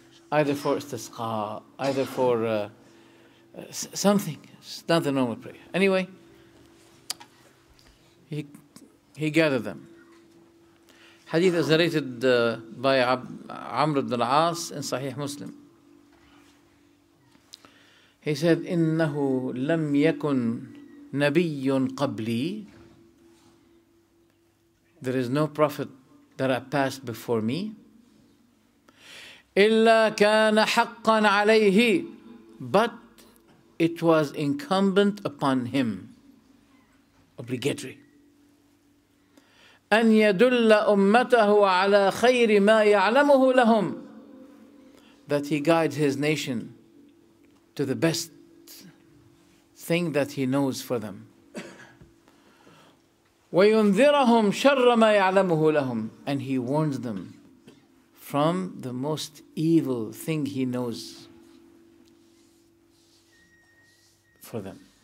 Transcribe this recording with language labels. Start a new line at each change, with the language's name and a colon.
English: Either for istisqa, either for something. It's not the normal prayer. Anyway, he gathered them. Hadith is narrated by Amr ibn al-As in Sahih Muslim. He said,
Arabic: إِنَّهُ لَمْ يَكُنْ نَبِيٌّ قَبْلِي.
English: There is no prophet that I passed before me.
Arabic: إِلَّا كَانَ حَقًّا عَلَيْهِ.
English: But it was incumbent upon him. Obligatory.
Arabic: أن يدل أمته على خير ما يعلمه لهم.
English: That he guides his nation to the best thing that he knows for them.
Arabic: وينذرهم شر ما يعلمه لهم.
English: And he warns them from the most evil thing he knows for them.